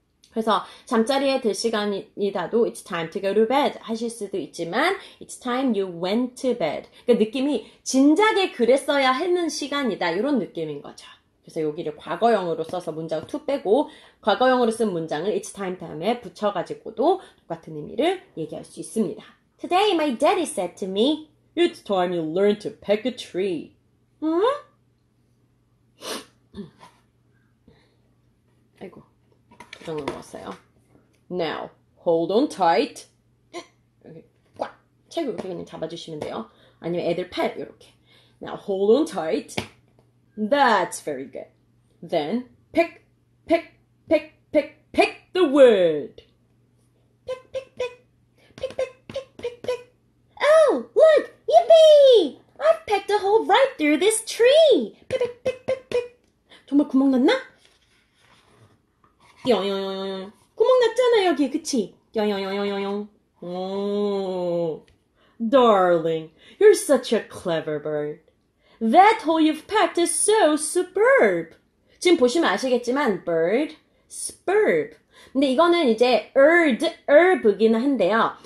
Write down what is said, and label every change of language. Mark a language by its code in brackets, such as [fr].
[ko] 그래서 잠자리에 들 시간이다도 [en] It's time to go to bed [ko] 하실 수도 있지만 [en] It's time you went to bed [ko] 그 느낌이 진작에 그랬어야 했는 시간이다 이런 느낌인 거죠. 그래서 여기를 과거형으로 써서 문장 2 빼고 과거형으로 쓴 문장을 It's time 다음에 붙여가지고도 똑같은 의미를 얘기할 수 있습니다. [en] Today my daddy said to me It's time you learn to peck a tree. [ko] 아이고 넣었어요. [en] Now, hold on tight. [ko] 이렇게 꽉 책을 이렇게 그냥 잡아주시면 돼요. 아니면 애들 팔 이렇게. [en] Now, hold on tight. That's very good. Then, pick, pick, pick, pick, pick the wood. Pick, pick, pick, pick, pick, pick, pick, pick. Oh, look, yippee! I've picked a hole right through this tree. Pick, pick, pick, pick, pick. [ko] 정말 구멍 났나? 뿅뿅뿅 구멍 났잖아 여기 그치? 뿅뿅뿅뿅 오 [en] Darling, you're such a clever bird. That hole you've packed is so superb. [ko] 지금 보시면 아시겠지만 bird, superb. 근데 이거는 이제 erd, erb이긴 한데요.